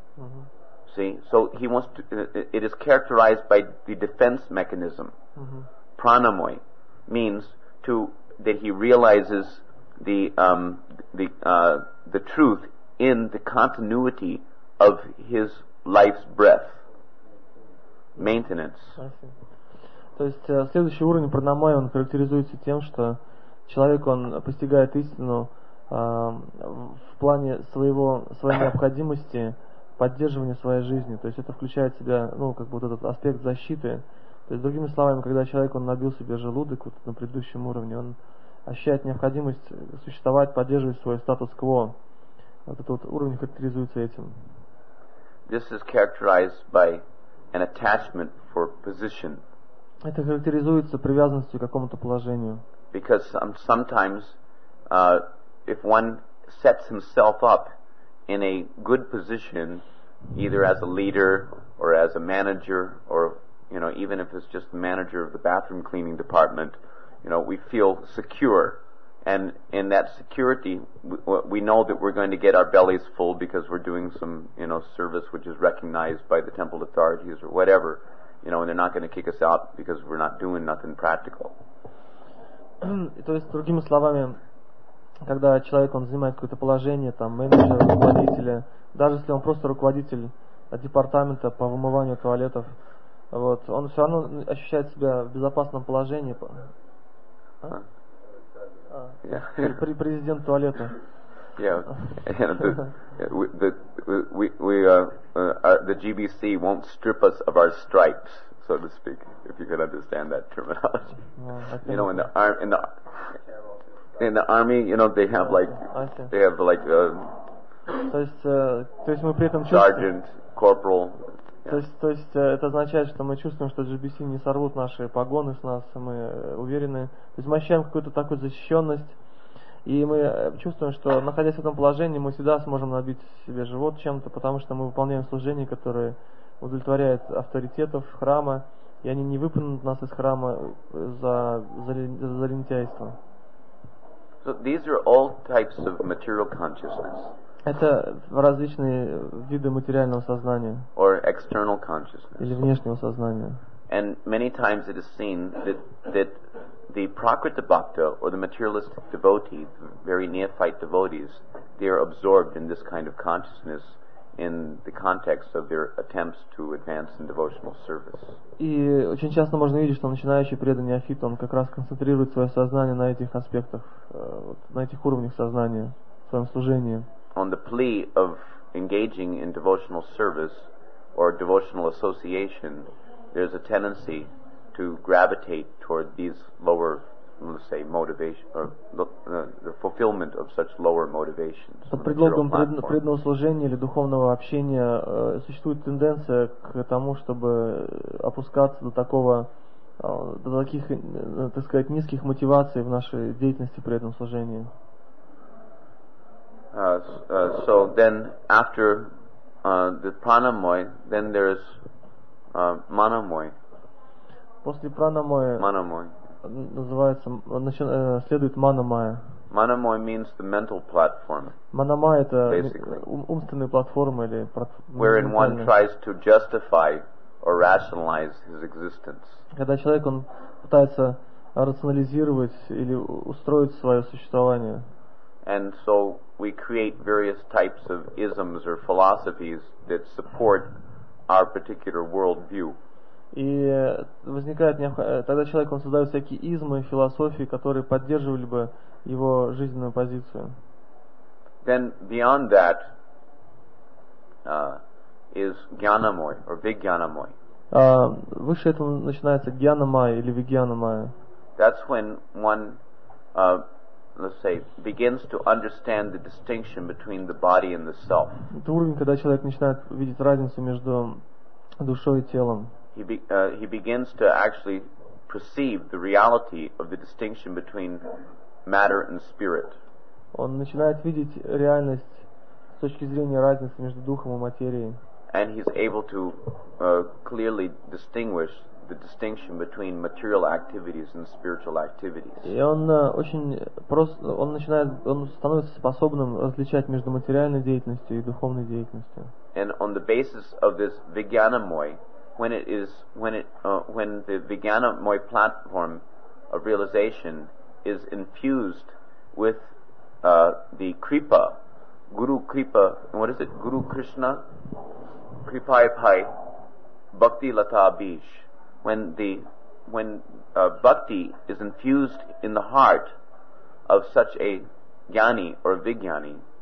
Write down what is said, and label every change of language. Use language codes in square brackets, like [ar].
[en] Mm-hmm. See? So he wants to, it is characterized by the defense mechanism. Mm-hmm. Pranamoy means to that he realizes the truth in the continuity of his life's breath. Maintenance. [ru] То есть следующий уровень пранамой, он характеризуется тем, что человек, он постигает истину в плане своей необходимости поддерживания своей жизни. То есть это включает в себя, ну, как бы вот этот аспект защиты. То есть, другими словами, когда человек, он набил себе желудок вот на предыдущем уровне, он ощущает необходимость существовать, поддерживать свой статус-кво. Вот этот вот уровень характеризуется этим. [en] This is characterized by an attachment for position. [ru] Это характеризуется привязанностью к какому-то положению. [en] Because sometimes if one sets himself up in a good position, either as a leader or as a manager, or you know, even if it's just the manager of the bathroom cleaning department, you know, we feel secure, and in that security, we know that we're going to get our bellies full because we're doing some, you know, service which is recognized by the temple authorities or whatever, you know, and they're not going to kick us out because we're not doing nothing practical. [ru] То есть другими словами, когда человек он занимает какое-то положение, там менеджер, руководитель, даже если он просто руководитель департамента по вымыванию туалетов, вот, он все равно ощущает себя в безопасном положении. А? [en] Yeah. [ru] Президент туалета. [en] Yeah. You know, the GBC won't strip us of our stripes, so to speak, if you can understand that terminology. Yeah, you know, in the army, you know, they have sergeant, corporal. [ru] То есть это означает, что мы чувствуем, что GBC не сорвут наши погоны с нас, мы уверены. То есть мы ощущаем какую-то такую защищенность, и мы чувствуем, что находясь в этом положении, мы всегда сможем набить себе живот чем-то, потому что мы выполняем служение, которое удовлетворяет авторитетов храма, и они не выпнут нас из храма за лентяйство. [en] So these are all types of material consciousness. [ru] Это различные виды материального сознания. [en] Or external consciousness. [ru] Или внешнего сознания. [en] And many times it is seen that the Prakriti Bhakta or the materialist devotee, very neophyte devotees, they are absorbed in this kind of consciousness in the context of their attempts to advance in devotional service. [ru] И очень часто можно видеть, что начинающий преданный неофит, он как раз концентрирует свое сознание на этих аспектах, на этих уровнях сознания, в своем служении. [en] On the plea of engaging in devotional service or devotional association, there's a tendency to gravitate toward these lower, let's say, motivation or the fulfillment of such lower motivations. [ru] Под предлогом преданного служения или духовного общения существует тенденция к тому, чтобы опускаться до такого до таких, так сказать, низких мотиваций в нашей деятельности при этом служении. [en] So then after the pranamoy, then there is manamoy. [ru] После пранамоя. [en] Manamoy. [ru] Называется, следует манамая. [en] Manamoy means the mental platform. [ru] Манамая — это умственная платформа или [en] wherein one tries to justify or rationalize his existence. [ru] Когда человек он пытается рационализировать или устроить свое существование. [en] And so we create various types of isms or philosophies that support our particular worldview. [ru] И возникает тогда человек он создает всякие измы, философии, которые поддерживали бы его жизненную позицию. [en] Then beyond that is gyanamoy or vigyanamoy. [ru] Выше этого начинается гьянамай или вигьянамай. [en] That's when one, let's say, begins to understand the distinction between the body and the self. [ru] Это уровень, когда человек начинает видеть разницу между душой и телом. [en] He begins to actually perceive the reality of the distinction between matter and spirit. [ru] Он начинает видеть реальность с точки зрения разницы между духом и материей. [en] And he's able to clearly distinguish the distinction between material activities and spiritual activities. [ru] И он очень просто, он начинает, он становится способным различать между материальной деятельностью и духовной деятельностью. [en] And on the basis of this vijnanamoy, when the vijnanamoy platform of realization is infused with the kripa, guru kripa, what is it, [bn] guru krishna kripai pai bhakti lata bish, [en] when bhakti is infused in the heart of such a jnani or a vijnani,